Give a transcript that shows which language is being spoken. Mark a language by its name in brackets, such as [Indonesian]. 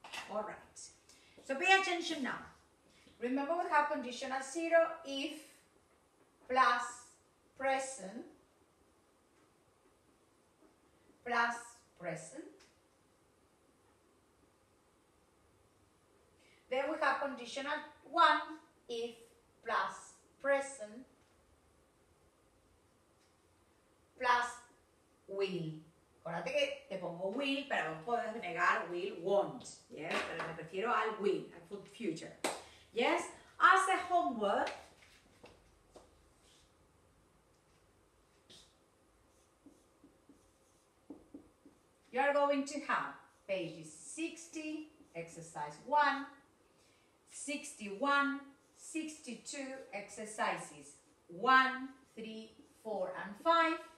[English] All right, so pay attention now. Remember we have conditional 0, if, plus, present, plus, present. Then we have conditional 1, if, plus, present, plus, will. [Spanish] Acuérdate que te pongo will, pero no puedes negar will, won't. Yes? Pero me refiero al will, al future. Yes? [English] As a homework, you are going to have pages 60, exercise 1, 61, 62, exercises 1, 3, 4, and 5.